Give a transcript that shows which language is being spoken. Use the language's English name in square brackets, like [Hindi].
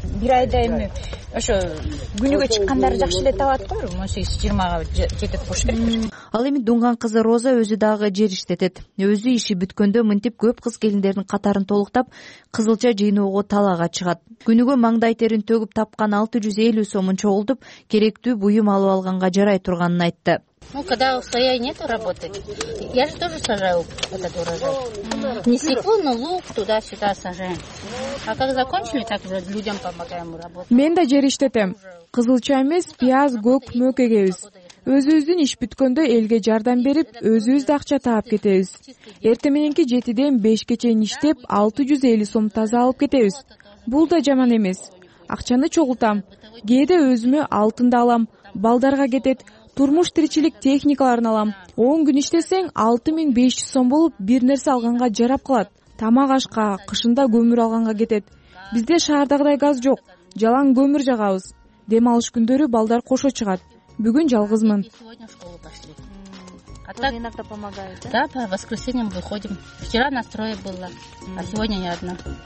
[Kyrgyz] Бир айда эми ошо күнүгө чыккандары жакшы эле табат го, 18-20 жетет болуш керек. Ал эми Дунган кызы Роза өзү дагы жер иштетет. Өзү иши бүткөндө мынтип көп кыз келиндердин катарын толуктап кызылча жыйноого талаага чыгат. Күнүгө маңдай терин төгүп тапкан 650 сомун чогултуп керектүү буюм алып алганга жарай турганын айтты. [Russian] Ну, когда у своей нет работы, я же тоже сажаю вот этот урожай. Не свеклу, но лук туда-сюда сажаем. А как закончили, так же людям помогаем работать. [Kyrgyz] Мен да жер иштетем. Кызылча эмес, пияз, көк, мөк эгебиз. Өзүбүздүн иш бүткөндө элге жардам берип, өзүбүз да акча таап кетебиз. Эртең мененки 7:00-5:00 чейин иштеп, 650 сом таза алып кетебиз. Бул да жаман эмес. Акчаны чогултам. Кээде өзүмө алтын да алам. балдарга кетет. Турмуш тиричилик техникаларын алам. 10 күн иштесең 6500 сом болуп, бир нерсе алганга жарап калат. Тамак ашка, кышында көмүр алганга кетет. Бизде шаардагыдай газ жок. Жалаң көмүр жагабыз. Дем алыш күндөрү балдар кошо чыгат. Бүгүн жалгызмын. [Russian] А так иногда помогают, да? Да, по воскресеньям выходим. Вчера нас трое было, а сегодня я одна.